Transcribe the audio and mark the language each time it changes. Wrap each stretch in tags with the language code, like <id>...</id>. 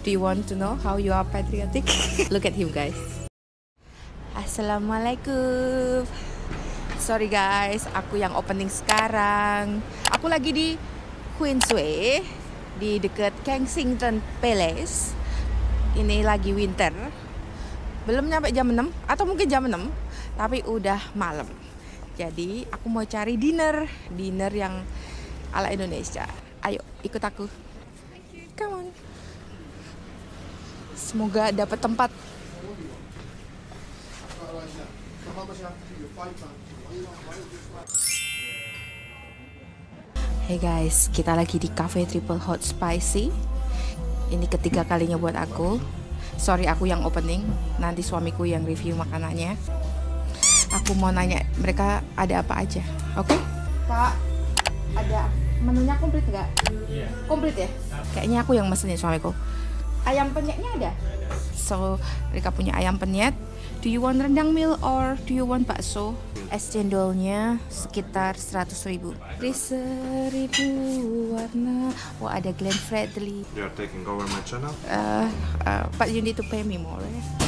<en>Do you want to know how you are patriotic? Look at him, guys. Assalamualaikum. Sorry guys,</en> <id>aku yang opening sekarang. Aku lagi di Queensway di dekat Kensington Palace. Ini lagi winter. Belum nyampe jam 6 atau mungkin jam 6, tapi udah malam. Jadi aku mau cari dinner yang ala Indonesia. Ayo ikut aku.</id> <en>Thank you. Come on.</en> <id>Semoga dapat tempat.</id> <en>Hey guys,</en> <id>kita lagi di cafe Triple Hot Spicy. Ini ketiga kalinya buat aku.</id> <en>Sorry</en> <id>aku yang opening, nanti suamiku yang review makanannya. Aku mau nanya mereka ada apa aja, oke?</id> <en>Okay?</en> <id>Kak, ada menunya komplit nggak?</id> <en>Yeah.</en> <id>Komplit ya? Kayaknya aku yang mesenin suamiku. Ayam penyetnya ada? So, mereka punya ayam penyet.</id> <en>Do you want rendang meal or do you want bakso?</en> <id>Es cendolnya sekitar 100.000. Seribu warna. Oh, ada Glenn Fredly.</id> <en>You are taking over my channel? But you need to pay me more, right?</en>